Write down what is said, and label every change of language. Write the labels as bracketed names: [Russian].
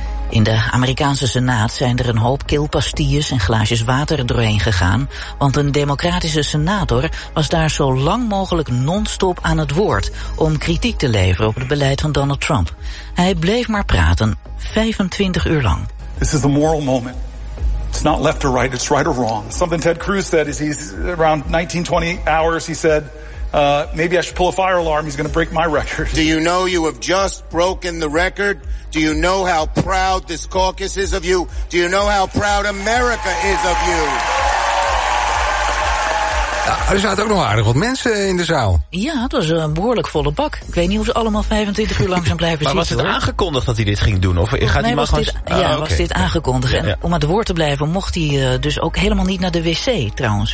[Dutch] In de Amerikaanse Senaat zijn er een hoop kilpastilles en glaasjes water doorheen gegaan, want een democratische senator was daar zo lang mogelijk non-stop aan het woord om kritiek te leveren op het beleid van Donald Trump. Hij bleef maar praten, 25 uur lang. [English] This is a moral moment. It's not left or right, it's right or wrong. Something Ted Cruz said is he's around 19, 20 hours, he said, maybe I should pull a fire alarm, he's going to break my record. Do you know you have just broken the record? Do you know how proud this caucus is of you? Do you know how proud America is of you? [Dutch] Ja, er zaten ook nog aardig wat mensen in de zaal. Ja, het was een behoorlijk volle bak. Ik weet niet of ze allemaal 25 uur langzaam blijven maar zitten. Maar was het aangekondigd dat hij dit ging doen? Of gaat hij maar gewoon... aangekondigd. Ja, ja. En om aan het woord te blijven mocht hij dus ook helemaal niet naar de wc trouwens.